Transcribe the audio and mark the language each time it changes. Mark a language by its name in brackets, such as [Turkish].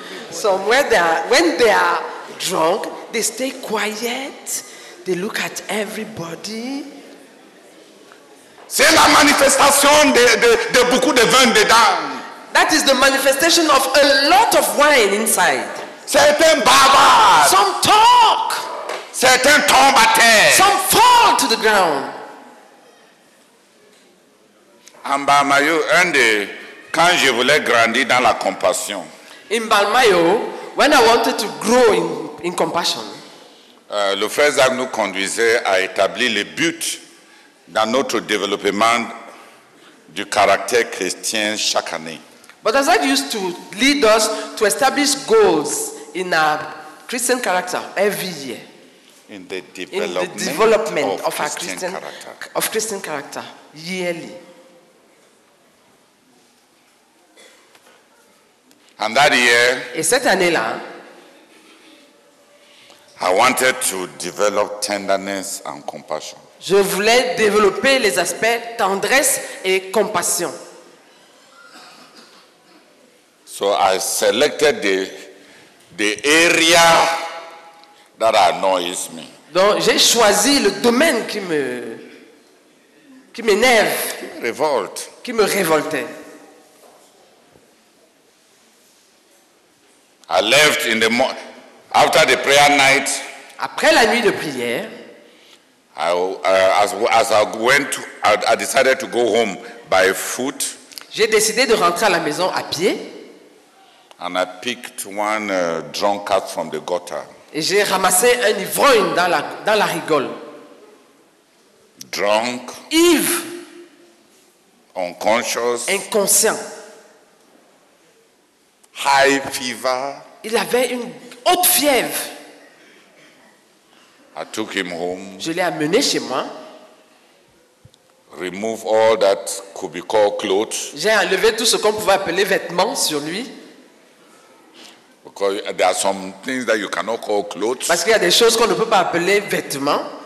[English] So when they are drunk, they stay quiet. They look at everybody. [French] C'est la manifestation de beaucoup de vin dedans. [English] That is the manifestation of a lot of wine inside. [French] Certains bavards. [English] Some talk. [French] Certains tombent à terre. [English] Some fall to the ground. [French] En Balmayo, quand je voulais grandir dans la compassion. [English] In Balmayo, when I wanted to grow in compassion. [French] Le frère Zag nous conduisait à établir les buts dans notre développement du caractère chrétien chaque année. [English] But as Zag used to lead us to establish goals in our Christian character every year. In the development of our Christian character. Of Christian character yearly. And that year. [French] Et cette année-là. [English] I wanted to develop tenderness and compassion. [French] Je voulais développer les aspects tendresse et compassion. [English] So I selected the area that annoys me. [French] Donc j'ai choisi le domaine qui m'énerve. Révolte. Qui me révoltait. [English] I left in the after the prayer night. [French] Après la nuit de prière, [English] I decided to go home by foot. [French] J'ai décidé de rentrer à la maison à pied. [English] And I picked one drunkard from the gutter. [French] Et j'ai ramassé un ivrogne dans la rigole. [English] Drunk. [French] Ivre. [English] Unconscious. [French] Inconscient. [English] High fever. [French] Il avait une haute fièvre. [English] I took him home. [French] Je l'ai amené chez moi. [English] remove all that could be called clothes. [French] J'ai enlevé tout ce qu'on pouvait appeler vêtements sur lui. [English] Because there are some things that you cannot call clothes. [French] Parce qu'il y a des choses qu'on ne peut pas appeler vêtements.